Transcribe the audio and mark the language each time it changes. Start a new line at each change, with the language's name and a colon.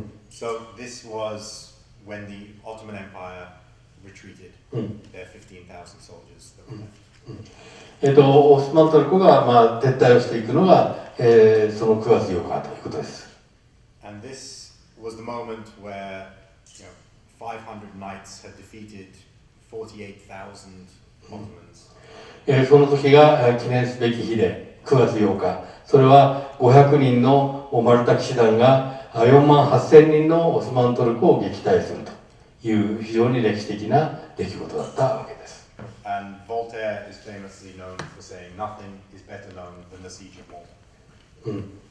English: So this was when the Ottoman Empire retreated. There were 15,000 soldiers that were left.
Japanese: オスマントルコが、まあ、撤退をしていくのが、その9月8日ということです。
English: And this was the moment where500 knights had defeated 48,000 Ottomans.
Japanese: その時が記念すべき日で、9月8日。それは500人のマルタ騎士団が48,000人のオスマントルコを撃退するという非常に歴史的な出来事だったわけです。
English: And Voltaire is famously known for saying nothing is better known than the siege of Malta.